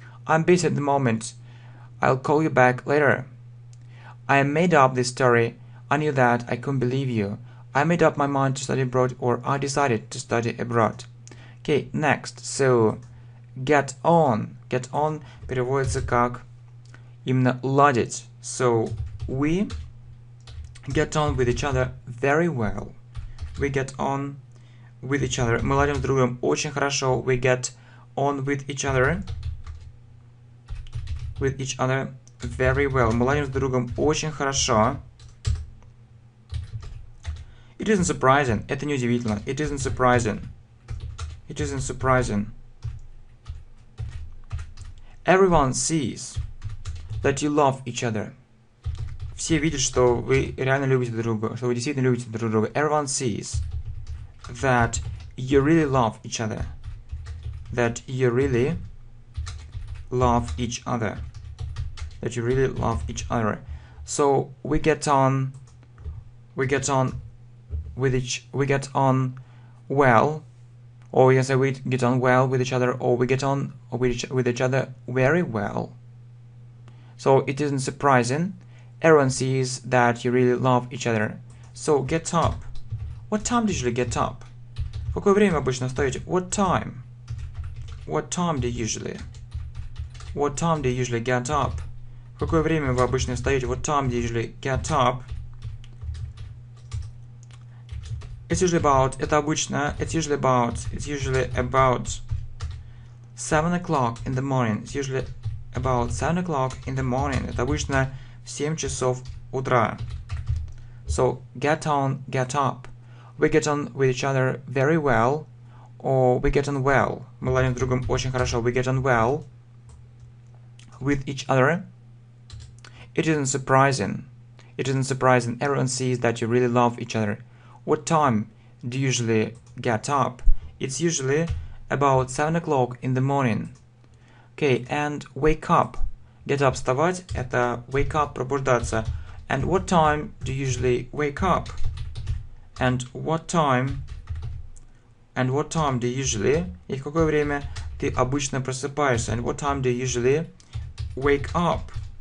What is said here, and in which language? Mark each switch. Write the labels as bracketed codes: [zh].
[en] I'm busy at the moment. I'll call you back later. I made up this story. I knew that I couldn't believe you. I made up my mind to study abroad or I decided to study abroad. Okay, next. So, get on. [ru] Get on переводится как именно ладить. [en] So, we get on with each other very well. We get on with each other. [ru] Мы ладим с другом очень хорошо. [en] We get on with each other. With each other very well. [ru] Мы ладим с другом очень хорошо. [en] It isn't surprising. [ru] Это не удивительно. [en] It isn't surprising. It isn't surprising. Everyone sees that you love each other. [ru] Все видят, что вы реально любите друг друга, что вы действительно любите друг друга. [en] Everyone sees that you really love each other. That you really love each other. That you really love each other. So we get on well. Or we can say we get on well with each other, or we get on with each other very well. So it isn't surprising. Everyone sees that you really love each other. So get up. What time do you usually get up? [ru] Какое время обычно встаете? [en] What time? What time do you usually get up? [ru] Какое время вы обычно встаете? [en] What time do you usually get up? It's usually about 7 o'clock in the morning. It's usually about 7 o'clock in the morning. [ru] Это обычно в 7 часов утра. [en] So get on, get up. We get on with each other very well, or we get on well. [ru] Мы ладим с другом очень хорошо. [en] We get on well with each other. It isn't surprising. Everyone sees that you really love each other. What time do you usually get up? It's usually about 7 o'clock in the morning. Okay, and wake up. Get up, [ru] вставать. Это [en] wake up, [ru] пробуждаться. [en] And what time do you usually wake up? [ru] И в какое время ты обычно просыпаешься? [en] And what time do you usually wake up?